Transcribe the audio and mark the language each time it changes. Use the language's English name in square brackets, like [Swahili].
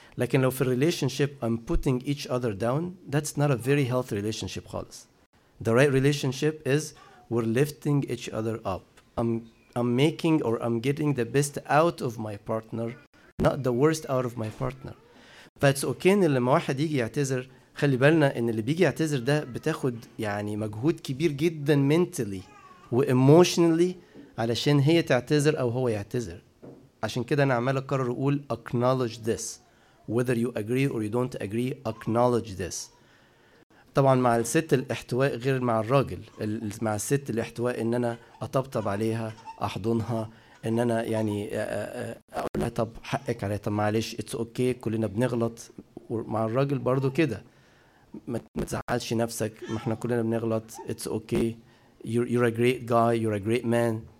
[Arabic] لكن لو في [English] relationship I'm putting each other down, that's not a very healthy relationship [Arabic] خالص. [English] The right relationship is we're lifting each other up. I'm making or I'm getting the best out of my partner, not the worst out of my partner. فإتس okay [Arabic] إن لما واحد يجي يعتذر خلي بالنا إن اللي بيجي يعتذر ده بتاخد يعني مجهود كبير جدا [English] mentally وemotionally [Arabic] علشان هي تعتذر أو هو يعتذر. عشان كده أنا عمال أكرر أقول [English] acknowledge this. Whether you agree or you don't agree, acknowledge this. [Arabic] طبعا مع الست الاحتواء غير مع الراجل مع الست الاحتواء ان انا اطبطب عليها احضنها ان انا يعني اقولها طب حقك عليها طب معلش [English] it's okay [Arabic] كلنا بنغلط ومع الراجل برضو كده ما تزعلش نفسك ما احنا كلنا بنغلط اتس اوكي [English] you're a great guy you're a great man